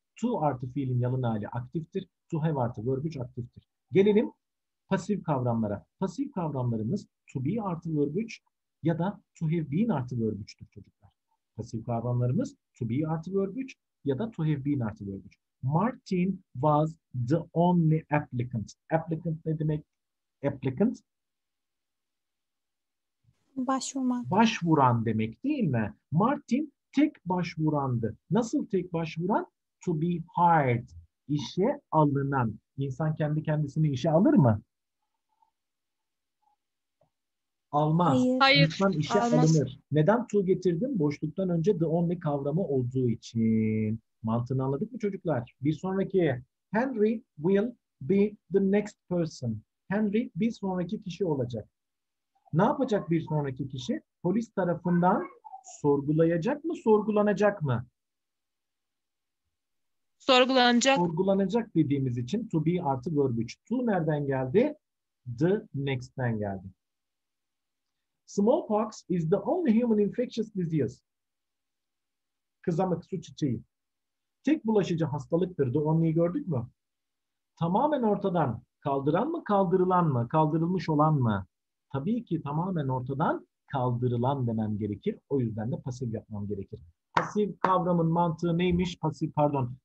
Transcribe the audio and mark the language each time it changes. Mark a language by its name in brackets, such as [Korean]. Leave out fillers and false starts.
[Turkish] To artı fiilin yalın hali aktiftir. To have artı verb 3 aktiftir. Gelelim pasif kavramlara. Pasif kavramlarımız to be artı verb 3 ya da to have been artı verb 3'tür çocuklar. Pasif kavramlarımız to be artı verb 3 ya da to have been artı verb 3. [English] Martin was the only applicant. [Turkish] Applicant ne demek? Applicant? Başvurmak. Başvuran demek değil mi? Martin tek başvurandı. Nasıl tek başvuran? [English] To be hired. [Turkish] İşe alınan. İnsan kendi kendisini işe alır mı? Almaz. Hayır. İnsan işe almaz. Alınır. Neden to getirdim? Boşluktan önce the only kavramı olduğu için. Mantığını anladık mı çocuklar? Bir sonraki. [English] Henry will be the next person. [Turkish] Henry bir sonraki kişi olacak. Ne yapacak bir sonraki kişi? Polis tarafından sorgulayacak mı, sorgulanacak mı? Sorgulanacak. Sorgulanacak dediğimiz için to be artı verb 3. To nereden geldi? The next'ten geldi. [English] Smallpox is the only human infectious disease. [Turkish] Kızamık, su çiçeği. Tek bulaşıcı hastalıktır. The only'yi gördük mü? tamamen ortadan kaldıran mı, kaldırılan mı, kaldırılmış olan mı? Tabii ki tamamen ortadan kaldırılan demem gerekir. O yüzden de pasif yapmam gerekir. Pasif kavramın mantığı neymiş? Pasif, pardon.